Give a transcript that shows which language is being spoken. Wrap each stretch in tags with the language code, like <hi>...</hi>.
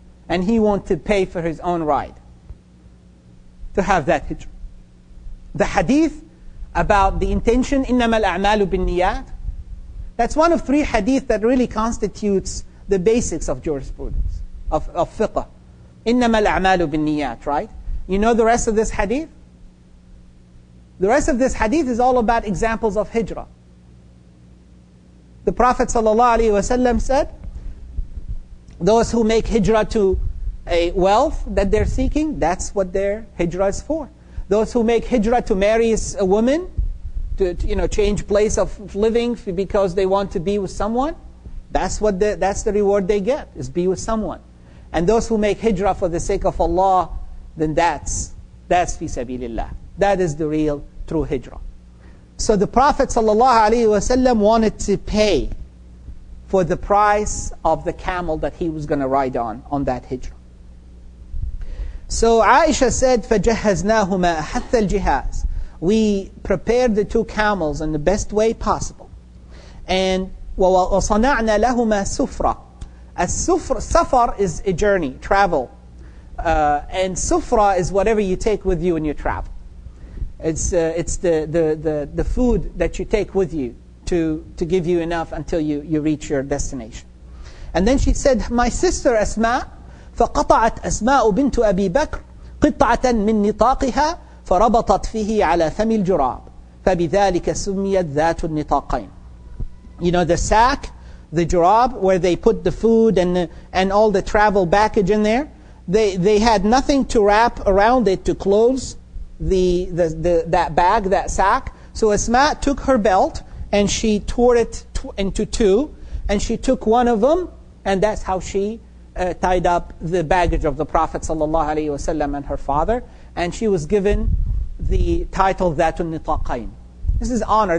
<en>And he wanted to pay for his own ride to have that hijrah. The hadith about the intention,</en> <ar>إِنَّمَا الْأَعْمَالُ بِالنِّيَّاتِ,</ar> <en>that's one of three hadith that really constitutes the basics of jurisprudence, of fiqh.</en> <ar>إِنَّمَا الْأَعْمَالُ بِالنِّيَّاتِ,</ar> <en>right? You know the rest of this hadith? The rest of this hadith is all about examples of hijrah. The Prophet ﷺ said, those who make hijrah to a wealth that they're seeking, that's what their hijrah is for. Those who make hijrah to marry a woman, to you know, change place of living because they want to be with someone, that's the reward they get, is be with someone. And those who make hijrah for the sake of Allah, then that's fi sabilillah. That is the real, true hijrah. So the Prophet sallallahu alaihi wasallam wanted to pay for the price of the camel that he was going to ride on that hijrah. So Aisha said,</en> <ar>فَجَهَّزْنَاهُمَا أَحَثَّ الْجِهَازِ.</ar> <en>We prepared the two camels in the best way possible.</en> <ar>And وَصَنَعْنَا لَهُمَا سُفْرًا.</ar> <en>A safar is a journey, travel. And sufra is whatever you take with you when you travel. It's the food that you take with you to give you enough until you reach your destination. And then she said, my sister Asma,</en> <ar>فَقَطَعَتْ أَسْمَاءُ بِنْتُ أَبِي بَكْرٍ قِطَعَةً مِنْ نِطَاقِهَا فَرَبَطَتْ فِيهِ عَلَى فَمِ الْجُرَابِ فَبِذَلِكَ سُمِّيَتْ ذَاتُ النِّطَاقَيْنِ.</ar> <en>You know, the sack, the jurab, where they put the food and all the travel baggage in there, they had nothing to wrap around it to close the that bag, that sack. So Asma took her belt and she tore it into two, and she took one of them, and that's how she tied up the baggage of the Prophet sallallahu alaihi wasallam and her father, and she was given the title Zatun Nitaqain. This is honor.</en>